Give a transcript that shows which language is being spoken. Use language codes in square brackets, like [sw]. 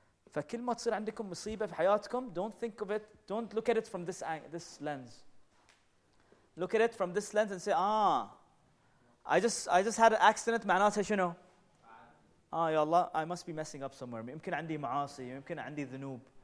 [ar] فكل ما تصير عندكم مصيبة في حياتكم, [en] don't think of it. Don't look at it from this lens. Look at it from this lens and say, I just had an accident. [ar] معناتها شنو? يا الله, [en] I must be messing up somewhere. [ar] يمكن عندي معاصي, يمكن عندي ذنوب.